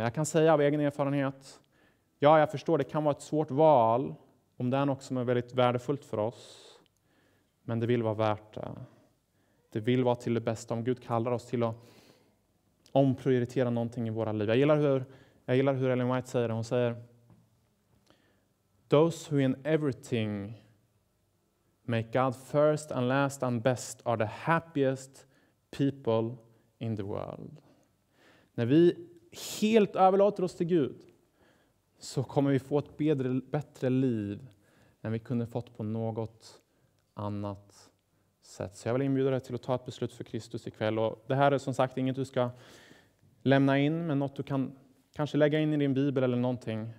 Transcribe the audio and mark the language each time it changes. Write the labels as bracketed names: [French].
[Swedish] Jag kan säga av egen erfarenhet, ja, jag förstår, det kan vara ett svårt val om det är något som är väldigt värdefullt för oss. Men det vill vara värt det. Det vill vara till det bästa om Gud kallar oss till att omprioritera någonting i våra liv. Jag gillar hur Ellen White säger det. Hon säger, [English] those who in everything make God first and last and best are the happiest people in the world. [Swedish] När vi helt överlåter oss till Gud så kommer vi få ett bättre liv än vi kunde fått på något annat sätt. Så jag vill inbjuda dig till att ta ett beslut för Kristus ikväll. Och det här är som sagt inget du ska lämna in, men något du kan kanske lägga in i din bibel eller någonting.